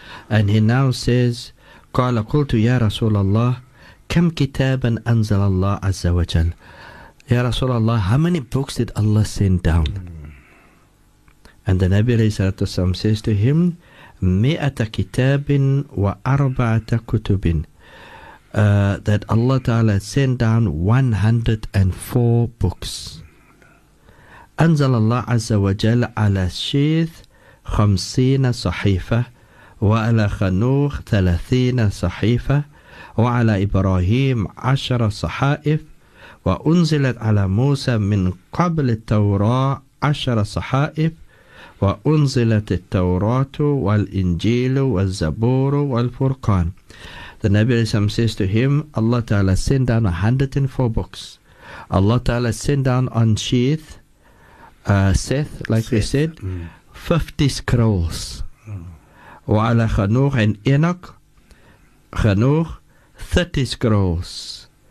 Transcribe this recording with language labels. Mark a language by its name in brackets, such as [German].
[English] And he now says, [Arabic] قَالَ قُلْتُ يَا رَسُولَ اللَّهِ كَمْ كِتَابًا أَنزَلَ اللَّهِ عَزَّ وَجَلْ. [English] Ya Rasulallah, how many books did Allah send down? And the Nabi alayhi salatu wasalam says to him, [Arabic] مِئَةَ كِتَابٍ وَأَرْبَعَةَ كُتُبٍ. [English] That Allah Ta'ala sent down 104 books. [Arabic] أنزل الله عز وجل على شيث 50 صحيفة وعلى خنوخ 30 صحيفة وعلى إبراهيم 10 صحائف وأنزلت على موسى من قبل التوراة 10 صحائف وأنزلت التوراة والإنجيل والزبور والفرقان. [English] The Nabi says to him, Allah Ta'ala sent down 104 books. Allah Ta'ala sent down on sheath, Seth. We said, 50 scrolls. Wa ala Hanukh and Enoch, Hanukh, 30 scrolls.